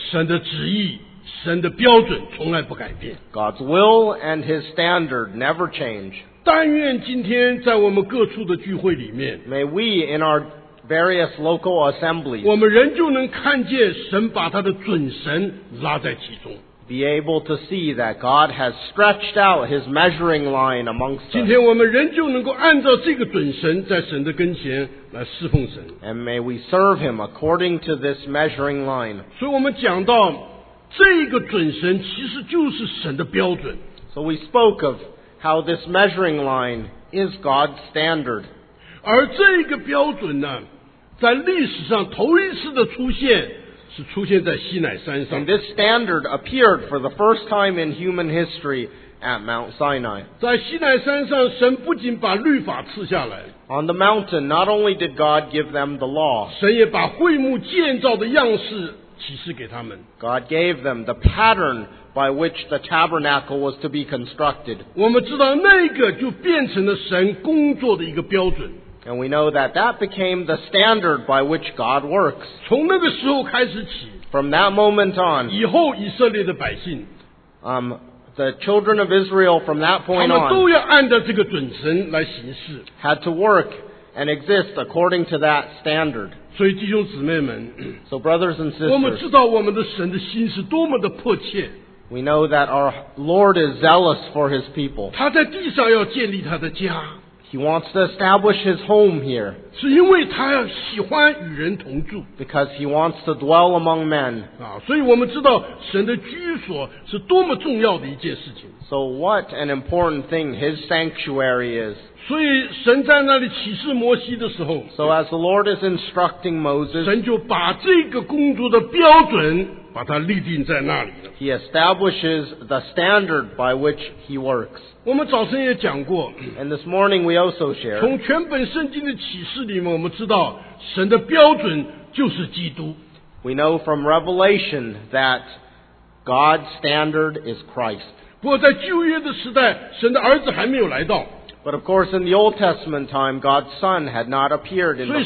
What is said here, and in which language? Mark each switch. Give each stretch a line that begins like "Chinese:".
Chinese: 神的旨意，神的标准从来不改变。
English: God's will and His standard never change.
Chinese: 但愿今天在我们各处的聚会里面。
English: May we in our various local assemblies.
Chinese: 我们仍旧能看见神把他的准绳拉在其中。
English: Be able to see that God has stretched out His measuring line amongst us.
Chinese: 今天我们仍旧能够按照这个准绳在神的跟前来侍奉神。
English: And may we serve Him according to this measuring line.
Chinese: 所以我们讲到这个准绳其实就是神的标准。
English: So we spoke of how this measuring line is God's standard.
Chinese: 而这个标准呢，在历史上头一次的出现。是出现在西乃山上。
English: And this standard appeared for the first time in human history at Mount Sinai.
Chinese: 在西乃山上，神不仅把律法赐下来。
English: On the mountain, not only did God give them the law.
Chinese: 神也把会幕建造的样式启示给他们。
English: God gave them the pattern by which the tabernacle was to be constructed.
Chinese: 我们知道那个就变成了神工作的一个标准。
English: And we know that that became the standard by which God works.
Chinese: 从那个时候开始起,
English: From that moment on,
Chinese: 以后以色列的百姓,
English: the children of Israel from that point on,
Chinese: 他们都要按照这个准绳来行事,
English: had to work and exist according to that standard.
Chinese: 所以弟兄姊妹们,
English: so brothers and sisters,
Chinese: 我们知道我们的神的心是多么的迫切。
English: We know that our Lord is zealous for His people.
Chinese: 他在地上要建立他的家。
English: He wants to establish his home here.
Chinese: 是因为他喜欢与人同住。
English: Because he wants to dwell among men.
Chinese: 所以我们知道神的居所是多么重要的一件事情。
English: So what an important thing his sanctuary is.
Chinese: 所以神在那里启示摩西的时候。
English: So as the Lord is instructing Moses.
Chinese: 神就把这个工作的标准把它立定在那里了。
English: He establishes the standard by which he works.
Chinese: 我们早晨也讲过。
English: And this morning we also shared.
Chinese: 从全本圣经的启示里面我们知道神的标准就是基督。
English: We know from Revelation that God's standard is Christ.
Chinese: 不过在旧约的时代，神的儿子还没有来到。
English: But of course, in the Old Testament time, God's Son had not appeared in the flesh.